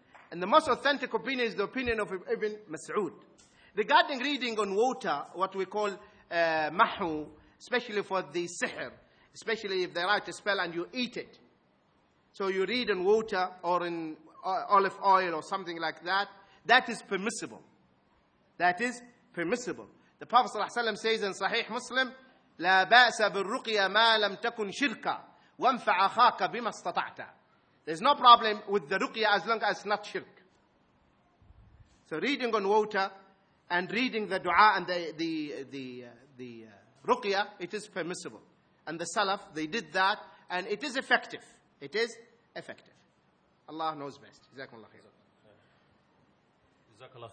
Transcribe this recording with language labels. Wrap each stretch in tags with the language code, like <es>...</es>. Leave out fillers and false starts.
<en>And the most authentic opinion is the opinion of Ibn Mas'ud. Regarding reading on water, what we call mahu, especially for the sihr, especially if they write a spell and you eat it. So you read in water or in olive oil or something like that. That is permissible. That is permissible. The Prophet Sallallahu Alaihi Wasallam says in Sahih Muslim,</en> <ar>لا بأس بالرقية ما لم تكن شركا وانفع أخاك بما استطعت.</ar> <en>There's no problem with the ruqya as long as it's not shirk. So reading on water and reading the dua and the ruqya, it is permissible. And the Salaf, they did that, and it is effective. It is effective. Allah knows best. Jazakallah khair.</en>